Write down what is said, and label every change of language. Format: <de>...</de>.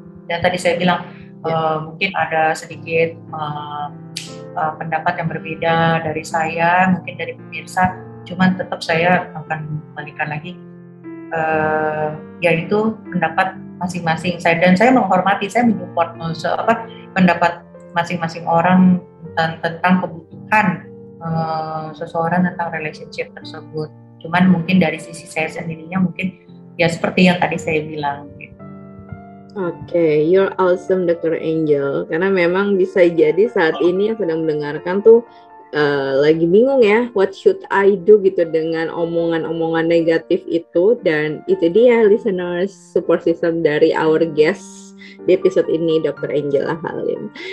<id>Dan tadi saya bilang mungkin ada sedikit pendapat yang berbeda dari saya, mungkin dari pemirsa, cuman tetap saya akan balikan lagi yaitu pendapat masing-masing saya, dan saya menghormati, saya menyupport pendapat masing-masing orang tentang kebutuhan seseorang tentang relationship tersebut, cuman mungkin dari sisi saya sendirinya mungkin ya seperti yang tadi saya bilang.</id> <en>Oke, okay, you're awesome Dr. Angel.</en> <id>Karena memang bisa jadi saat ini yang sedang mendengarkan tuh lagi bingung ya,</id> <en>what should I do</en> <id>gitu dengan omongan-omongan negatif itu. Dan itu dia listeners,</id> <en>support system</en> <id>dari</id> <en>our guest</en> <id>di episode ini, Dr. Angela Halim.</id>